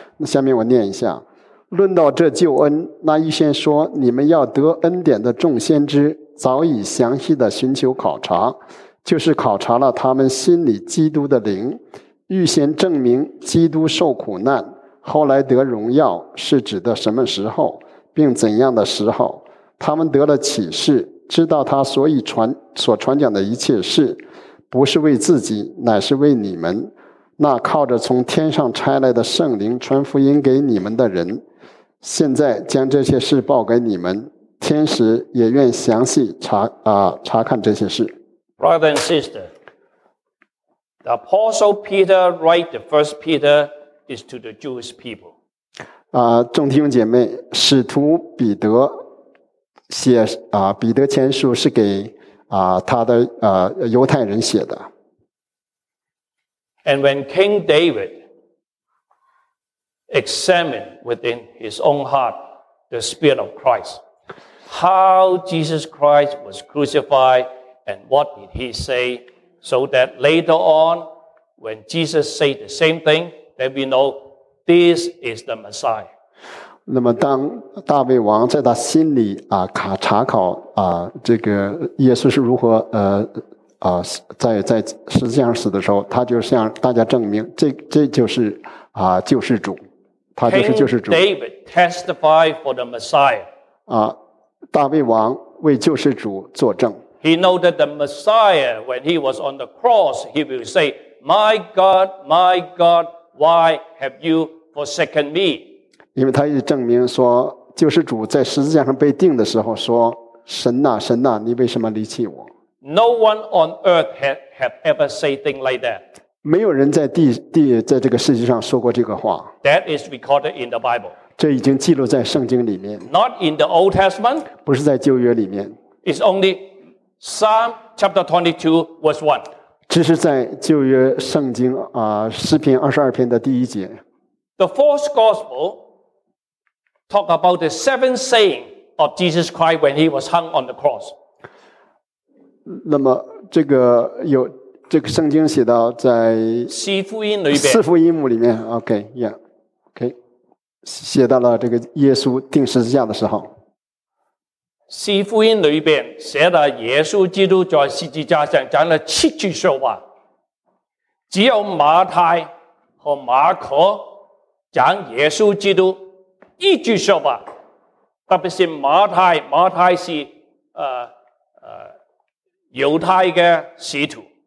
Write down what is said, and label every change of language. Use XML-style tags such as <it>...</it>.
<zh>那下面我念一下。论到这救恩，那预先说你们要得恩典的众先知早已详细的寻求考察，就是考察了他们心里基督的灵，预先证明基督受苦难后来得荣耀是指的什么时候并怎样的时候，他们得了启示，知道他所传讲的一切事不是为自己，乃是为你们那靠着从天上差来的圣灵传福音给你们的人，现在将这些事报给你们，天使也愿详细查看这些事。</zh> <en>Brother and sister, the Apostle Peter write the first Peter is to the Jewish people.</en> <zh>众弟兄姐妹，使徒彼得写彼得前书是给他的犹太人写的。</zh> <en>And when King David examined within his own heart the Spirit of Christ, how Jesus Christ was crucified and what did he say, so that later on, when Jesus said the same thing, then we know this is the Messiah.</en> <zh>那么当大卫王在他心里查考这个耶稣是如何在十字架上死的时候，他就向大家证明这就是救世主，他就是救世主。</zh> <en>King David testified for the Messiah.</en> <zh>大卫王为救世主作证。</zh> <en>He knew that the Messiah, when he was on the cross, he will say, "My God, my God, why have you forsaken me?"</en> <zh>因为他也证明说，救世主在十字架上被钉的时候说，神哪，神哪，你为什么离弃我？</zh> <en>No one on earth have ever said thing like that.</en> <zh>没有人在这个世界上说过这个话。</zh> <en>That is recorded in the Bible.</en> <zh>这已经记录在圣经里面。</zh> <en>Not in the Old Testament.</en> <zh>不是在旧约里面。</zh> <en>It's only Psalm chapter 22 verse 1.</en> <zh>只是在旧约圣经诗篇22篇的第一节。</zh> <en>The fourth gospel talk about the seventh saying of Jesus Christ when he was hung on the cross.</en> <zh>那么这个有这个圣经写到在四福音里面，四福音母里面 ，OK， yeah， OK， 写到了这个耶稣钉十字架的时候。四福音里面写了耶稣基督在十字架上讲了七句说话，只有马太和马可讲耶稣基督一句说话，特别是马太是犹太的使徒，</zh>